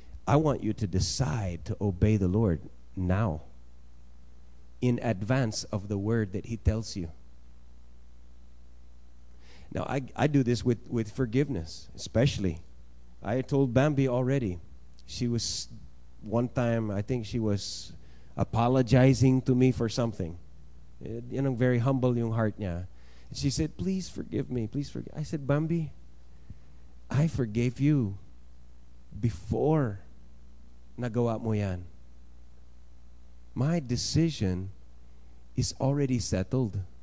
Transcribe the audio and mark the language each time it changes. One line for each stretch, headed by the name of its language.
English: I want you to decide to obey the Lord now in advance of the word that He tells you. Now, I do this with forgiveness, especially. I told Bambi already. She was, one time, I think she was apologizing to me for something.
Filipino: Yan ang
English: very humble
Filipino: yung heart niya.
English: She said, please forgive me. Please forgive. I said, Bambi, I forgave you before
Filipino: nagawa mo yan.
English: My decision is already settled.